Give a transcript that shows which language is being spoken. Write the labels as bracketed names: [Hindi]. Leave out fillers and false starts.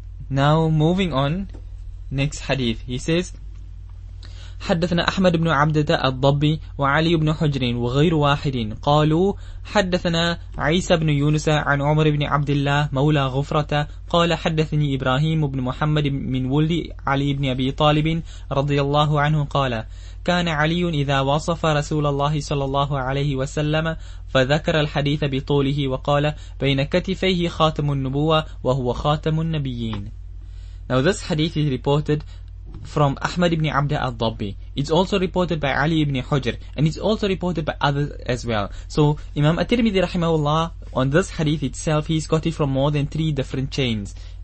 [English] Now moving on, next hadith. He says, [Arabic] حدثنا أحمد بن عبدة الضبي وعلي بن حجر وغير واحد قالوا حدثنا عيسى بن يونس عن عمر بن عبد الله مولى غفرة قال حدثني إبراهيم بن محمد من ولد علي بن أبي طالب رضي الله عنه قال كان علي إذا وصف رسول الله صلى الله عليه وسلم فذكر الحديث بطوله وقال بين كتفيه خاتم النبوة وهو خاتم النبيين. [English] Now this hadith is reported from Ahmad ibn Abd al-Dabbi. It's also reported by Ali ibn Hujr, and it's also reported by others as well. So Imam At-Tirmidhi rahimahullah, on this hadith itself, he's got it from more than three different chains.